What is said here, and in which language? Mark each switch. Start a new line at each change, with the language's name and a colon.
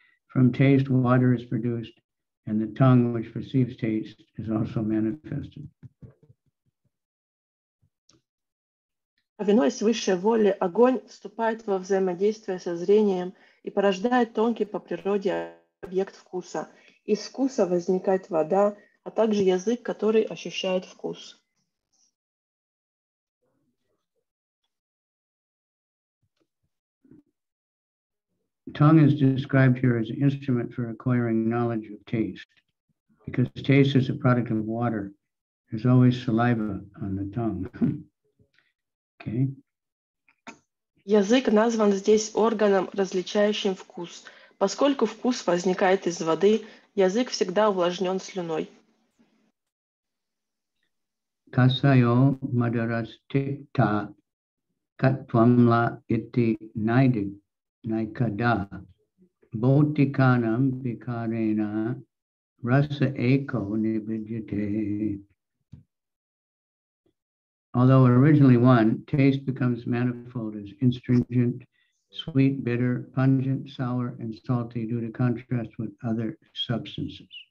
English: From taste, water is produced, and the tongue, which perceives taste, is also manifested.
Russian: Повинуясь высшей воле, огонь вступает во взаимодействие со зрением и порождает тонкий по природе объект вкуса. Из вкуса возникает вода, а также язык, который ощущает вкус.
English: Tongue is described here as an instrument for acquiring knowledge of taste. Because taste is a product of water, there's always saliva on the tongue. Okay.
Russian: Язык назван здесь органом, различающим вкус. Поскольку вкус возникает из воды, язык всегда увлажнен слюной.
Sanskrit: Касайо мадарастита катвамла ити найди найкада бхутиканам бикарена раса эко нибиджите.
English: Although originally one, taste becomes manifold as astringent, sweet, bitter, pungent, sour, and salty due to contrast with other substances.